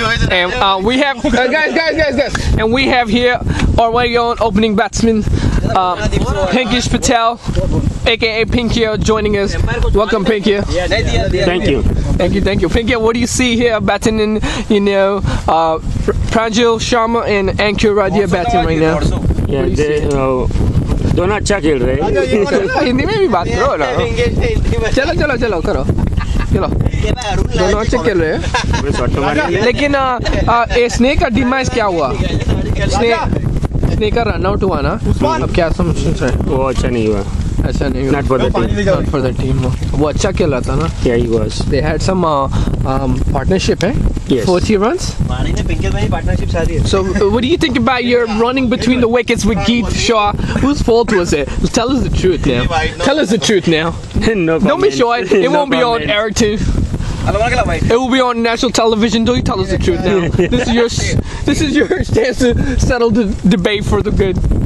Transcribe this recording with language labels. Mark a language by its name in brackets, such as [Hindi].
[English] And we have guys, and we have here our very own opening batsman, Pinkish Patel, aka Pinkyo, joining us. Welcome, Pinkyo. Thank you. Pinkyo, what do you see here batting in, you know, Pranjal Sharma and Ankur Radia batting right now? Yeah, they do not chuckle, right? [Hindi] Hindi mein bhi baat karo na. Chalo, karo. लेकिन snake का demise क्या हुआ snake का run out हुआ ना अब क्या समस्या है वो अच्छा नहीं हुआ अच्छा नहीं हुआ [English] not for the team [Hindi] वो अच्छा खेला था ना [English] Yeah he was they had some partnership है 40 runs? Manny's partnership. So what do you think about your running between the wickets with Geeth Shah? Whose fault was it? Tell us the truth now. No comment. Don't be shy. It won't be on air too. It will be on national television. Don't you tell us the truth now. This is your chance to settle the debate for the good.